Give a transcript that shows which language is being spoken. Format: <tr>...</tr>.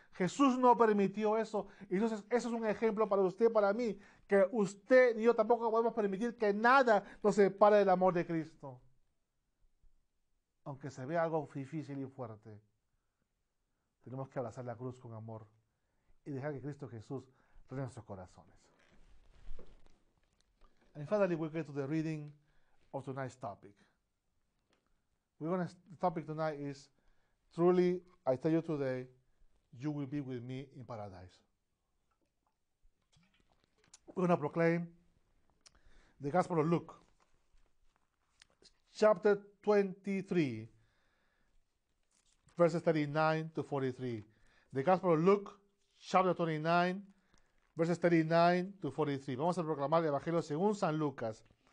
<es>Jesús no permitió eso. Y entonces, eso es un ejemplo para usted, para mí, que usted ni yo tampoco podemos permitir que nada nos separe del amor de Cristo. Aunque se vea algo difícil y fuerte, tenemos que abrazar la cruz con amor y dejar que Cristo Jesús reine nuestros corazones.</es> <en>And finally, we get to the reading of tonight's topic. The topic tonight is, truly, I tell you today, you will be with me in paradise. We're going to proclaim the Gospel of Luke, chapter 23, verses 39 to 43. The Gospel of Luke, chapter 29, verses 39 to 43.</en> <es>Vamos a proclamar el Evangelio según San Lucas.</es>